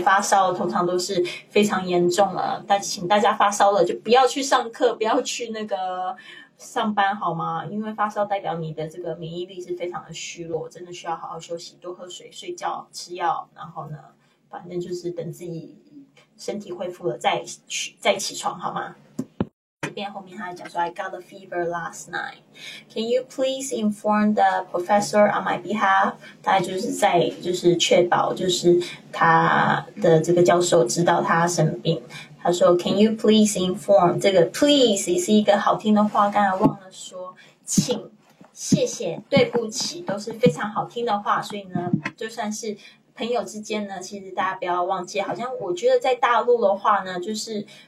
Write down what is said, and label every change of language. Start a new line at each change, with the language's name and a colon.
Chinese: 发烧通常都是非常严重了，但请大家发烧了就不要去上课，不要去那个上班好吗？因为发烧代表你的这个免疫力是非常的虚弱，真的需要好好休息，多喝水，睡觉，吃药，然后呢反正就是等自己身体恢复了再起床好吗？这边后面他讲说
English: I got a fever last night. Can you please inform the professor on my behalf?
Chinese: 大概就是在就是确保就是他的这个教授知道他生病。他说
English: Can you please inform
Chinese: 这个 please 也是一个好听的话，刚才忘了说请谢谢对不起都是非常好听的话，所以呢就算是朋友之间呢，其实大家不要忘记，好像我觉得在大陆的话呢就是